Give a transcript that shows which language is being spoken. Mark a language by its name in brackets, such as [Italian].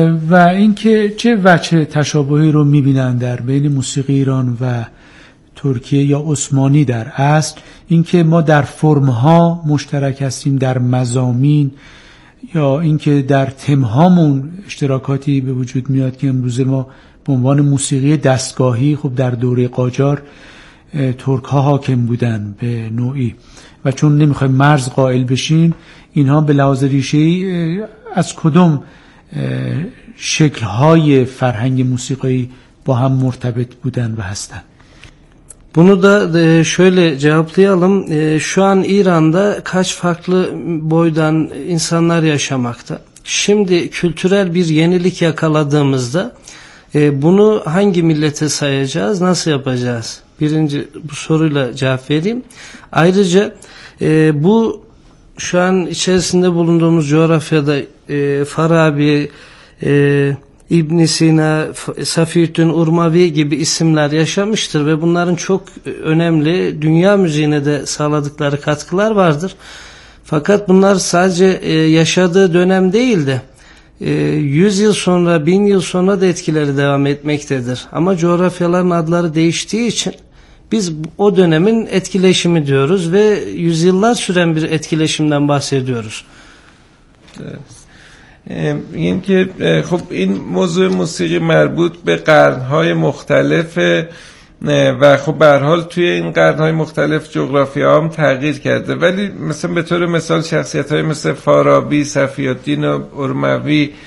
[Persian] و اینکه چه وجه تشابهی رو میبینن در بین موسیقی ایران و ترکیه یا عثمانی در اصل، اینکه ما در فرمها مشترک هستیم، در مزامین، یا اینکه در تمهامون اشتراکاتی به وجود میاد که امروز ما به عنوان موسیقی دستگاهی، خب در دوره قاجار ترک ها حاکم بودن به نوعی، و چون نمیخوایم مرز قائل بشیم، اینها به لحاظ ریشه‌ای از کدوم شکل های فرهنگ موسیقایی با هم مرتبط بودن و هستن؟ [Turkish] Bunu da şöyle cevaplayalım. Şu an İran'da kaç farklı boydan insanlar yaşamakta? Şimdi kültürel bir yenilik yakaladığımızda bunu hangi millete sayacağız, nasıl yapacağız? Birinci bu soruyla cevap vereyim. Ayrıca bu şu an içerisinde bulunduğumuz coğrafyada Farabi, İbn Sina, Safiyyüddin Urmavi gibi isimler yaşamıştır ve bunların çok önemli dünya müziğine de sağladıkları katkılar vardır. Fakat bunlar sadece yaşadığı dönem değil de 100 yıl sonra, 1000 yıl sonra da etkileri devam etmektedir. Ama coğrafyaların adları değiştiği için biz o dönemin etkileşimi diyoruz ve yüzyıllar süren bir etkileşimden bahsediyoruz. Evet. [Persian] این که خب این موضوع موسیقی مربوط به قرن‌های مختلفه و خب به هر حال توی این قرن‌های مختلف جغرافی‌ها هم تغییر کرده، ولی مثلا به طور مثال شخصیت‌های مثل فارابی، صفی‌الدین ارموی،